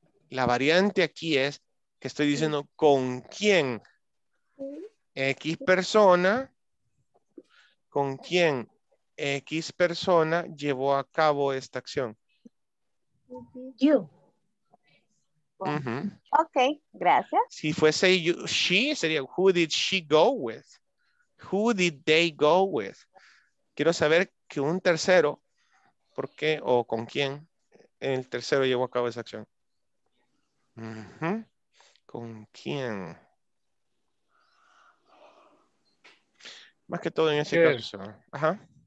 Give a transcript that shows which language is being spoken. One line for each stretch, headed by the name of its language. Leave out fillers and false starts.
Spanish: La variante aquí es que estoy diciendo con quién. X persona. ¿Con quién X persona llevó a cabo esta acción?
English: You.
Spanish: Ok, gracias. Si fuese
English: you, she,
Spanish: sería
English: who did she go with? Who did they go with?
Spanish: Quiero saber que un tercero, ¿por qué o con quién el tercero llevó a cabo esa acción? ¿Con quién? Más que todo en ese caso. Ajá.